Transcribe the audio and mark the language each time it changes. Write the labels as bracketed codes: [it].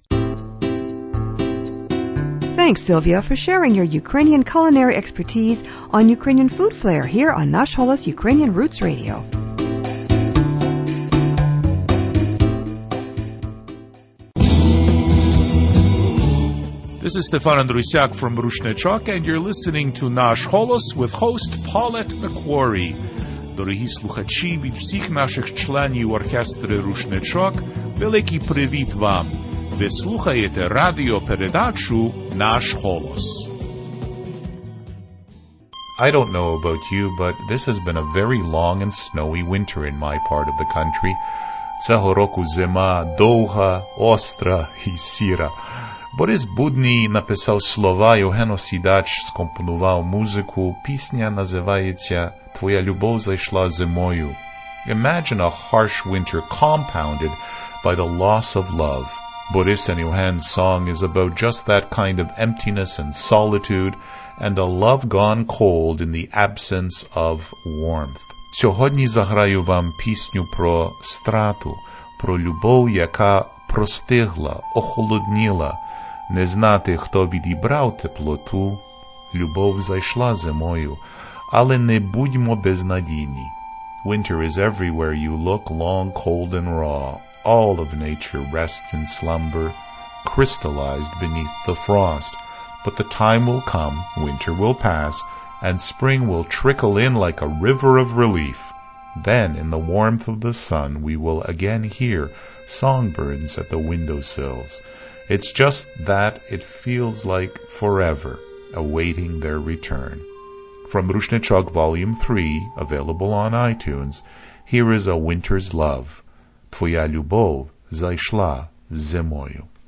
[en] Thanks, Sylvia, for sharing your Ukrainian culinary expertise on Ukrainian Food Flair here on Nash Holos Ukrainian Roots Radio. This is Stefan Andrusiak from Rushnechok, and you're listening to Nash Holos with host Paulette McQuarrie. [uk] Дорогі слухачі від всіх наших членів оркестри Рушнечок, великий привіт вам! Ви слухаєте радіопередачу «Наш голос». [en] I don't know about you, but this has been a very long and snowy winter in my part of the country. [uk] Цього року зима довга, остра і сіра. Борис Будній написав слова, Євгено Сідач скомпонував музику. Пісня називається «Твоя любов зайшла зимою». [en] Imagine a harsh winter compounded by the loss of love. Борис and Йоген's song is about just that kind of emptiness and solitude and a love gone cold in the absence of warmth. [uk] Сьогодні заграю вам пісню про страту, про любов, яка простигла, охолодніла. Не знати, хто відібрав теплоту, любов зайшла зимою, але не будьмо безнадійні. [en] Winter is everywhere you look, long, cold, and raw. All of nature rests in slumber, crystallized beneath the frost. But the time will come, winter will pass, and spring will trickle in like a river of relief. Then, in the warmth of the sun, we will again hear songbirds at the windowsills. It's just that it feels like forever, awaiting their return. From Rushnechok Volume 3, available on iTunes, here is A Winter's Love. [uk] Твоя любов зайшла зимою.